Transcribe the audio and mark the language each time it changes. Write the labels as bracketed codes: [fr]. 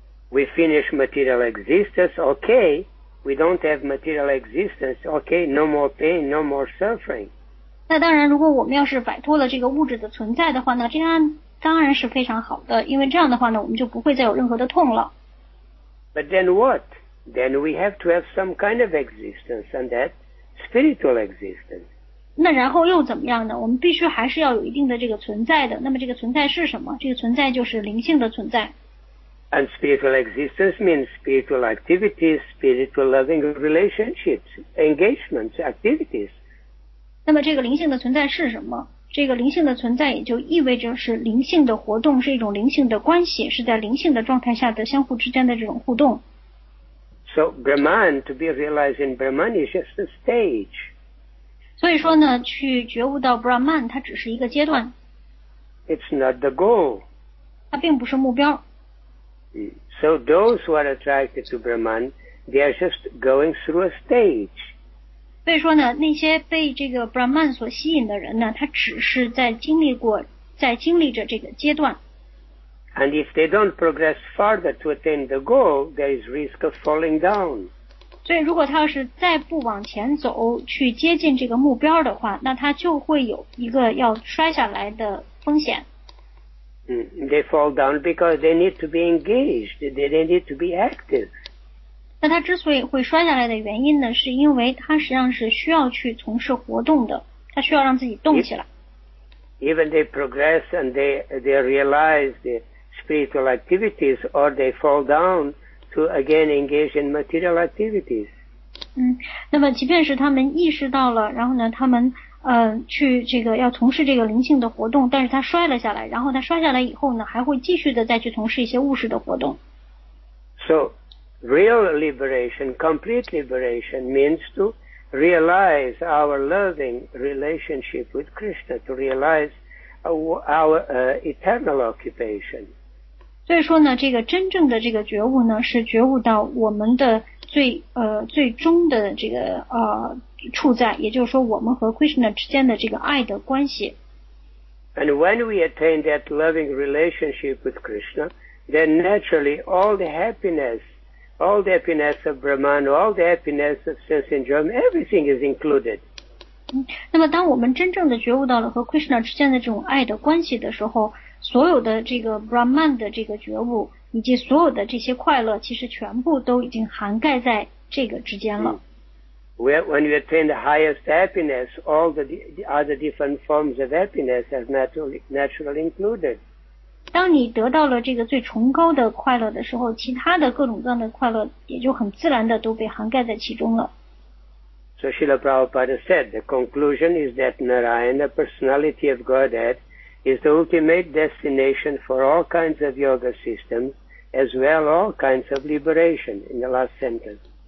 [en] We finish material existence, okay. We don't have material existence, okay. No more pain, no more suffering. [zh] 那当然，如果我们要是摆脱了这个物质的存在的话呢，这样当然是非常好的，因为这样的话呢，我们就不会再有任何的痛了。 [en] But then what? Then we have to have some kind of existence, and that spiritual existence. [zh] 那然后又怎么样呢？我们必须还是要有一定的这个存在的。那么这个存在是什么？这个存在就是灵性的存在。 [en] And spiritual existence means spiritual activities, spiritual loving relationships, engagements, activities. [zh] 那么这个灵性的存在是什么？这个灵性的存在也就意味着是灵性的活动，是一种灵性的关系，是在灵性的状态下的相互之间的这种互动。 [en] So Brahman, to be realized in Brahman is just a stage. [zh] 所以说呢，去觉悟到 Brahman, 它只是一个阶段。 [en] It's not the goal. [zh] 它并不是目标。 [en] So those who are attracted to Brahman, they are just going through a stage. [zh] 所以说呢，那些被这个 Brahman 所吸引的人呢，他只是在经历着这个阶段。 [en] And if they don't progress further to attain the goal, there is risk of falling down. [zh] 所以如果他要是再不往前走，去接近这个目标的话，那他就会有一个要摔下来的风险。 [en] They fall down because they need to be engaged. They need to be active. [zh] 那他之所以会摔下来的原因呢，是因为他实际上是需要去从事活动的，他需要让自己动起来。 [en] Even they progress and they realize the spiritual activities or they fall down to again engage in material activities. [zh] 嗯，那么即便是他们意识到了，然后呢，他们去这个要从事这个灵性的活动，但是他摔了下来，然后他摔下来以后呢，还会继续的再去从事一些物质的活动。 [en] So, real liberation, complete liberation means to realize our loving relationship with Krishna, to realize our eternal occupation. [zh] 所以说呢，这个真正的这个觉悟呢，是觉悟到我们的最终的这个处在，也就是说我们和 Krishna 之间的这个爱的关系。 [en] And when we attain that loving relationship with Krishna, then naturally all the happiness of Brahman, all the happiness of sense enjoyment, everything is included. [zh] 那么当我们真正的觉悟到了和 Krishna 之间的这种爱的关系的时候，所有的这个 Brahman 的这个觉悟以及所有的这些快乐其实全部都已经涵盖在这个之间了。 [en] When you attain the highest happiness, all the other different forms of happiness are naturally included. [zh] 当你得到了这个最崇高的快乐的时候，其他的各种各样的快乐也就很自然的都被涵盖在其中了。 [en] So Srila Prabhupada said, the conclusion is that Narayana, the personality of Godhead,is the ultimate destination for all kinds of yoga systems, as well all kinds of liberation, in the last sentence.